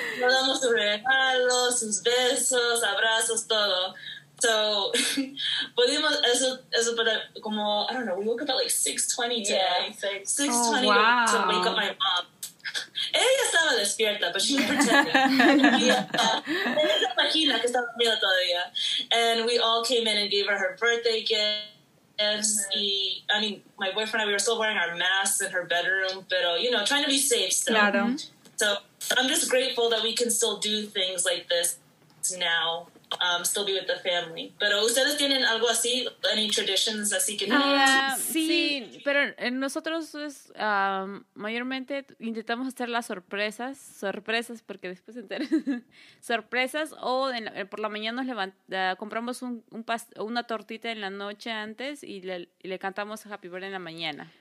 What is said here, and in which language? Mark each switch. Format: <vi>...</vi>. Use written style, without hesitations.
<es>Nos damos sus regalos, sus besos, abrazos, todo.</es> <en>So,</en> <es>pudimos, eso para, como,</es> <en>I don't know, we woke up at like 6:20 today. Yeah, 6:20 to wake up my mom.</en> <es>Ella estaba despierta,</es> <en>but she was pretending.</en> <es>Ella se imagina que estaba dormida todavía.</es> <en>And we all came in and gave her her birthday gift.</en> <es>gloves. Mm-hmm.</es> <en>Y, I mean, my boyfriend and I, we were still wearing our masks in her bedroom, pero, you know, trying to be safe. So.</en> <es>Claro.</es> <en>So I'm just grateful that we can still do things like this now, still be with the family.</en> <es>Pero ustedes tienen algo así,</es> <en>any traditions</en> <es>así que no? Sí, sí, pero nosotros es, mayormente intentamos hacer las sorpresas, sorpresas porque después se enteran, sorpresas, o en la, por la mañana nos levanta, compramos una tortita en la noche antes y le cantamos Happy Birthday en la mañana.</es>